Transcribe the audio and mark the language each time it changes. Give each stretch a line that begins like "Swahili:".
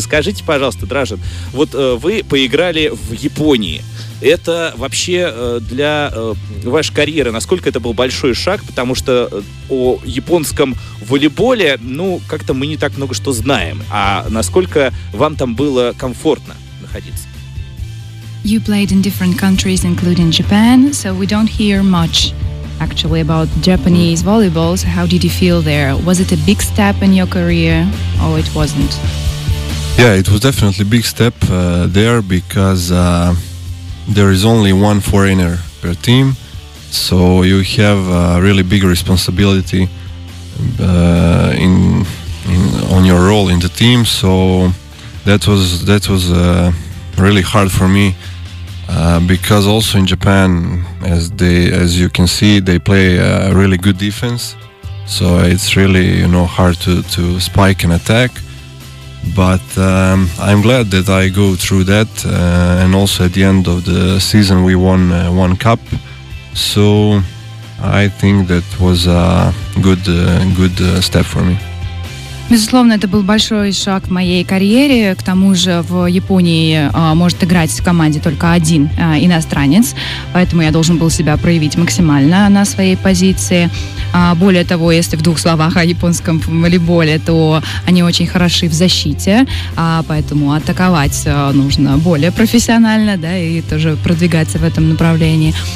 Russian: Расскажите, пожалуйста, Дражин, вот вы поиграли в Японии. Это вообще для вашей карьеры, насколько это был большой шаг, потому что о японском волейболе, ну, как-то мы не так много что знаем, а насколько вам там было комфортно находиться?
English: You played in different countries, including Japan, so we don't hear much, actually, about Japanese volleyball. So how did you feel there? Was it a big step in your career, or it wasn't? Yeah, it was definitely a big step there, because there is only one foreigner per team, so you have a really big responsibility on your role in the team, so that was really hard for me. Because also in Japan, as you can see, they play a really good defense, so it's really, you know, hard to spike an attack. But I'm glad that I go through that, and also at the end of the season we won one cup, so I think that was a good step for me.
Russian: Безусловно, это был большой шаг в моей карьере. К тому же в Японии может играть в команде только один иностранец, поэтому я должен был себя проявить максимально на своей позиции. Более того, если в двух словах о японском волейболе, то они очень хороши в защите, поэтому атаковать нужно более профессионально, да, и тоже продвигаться в этом направлении.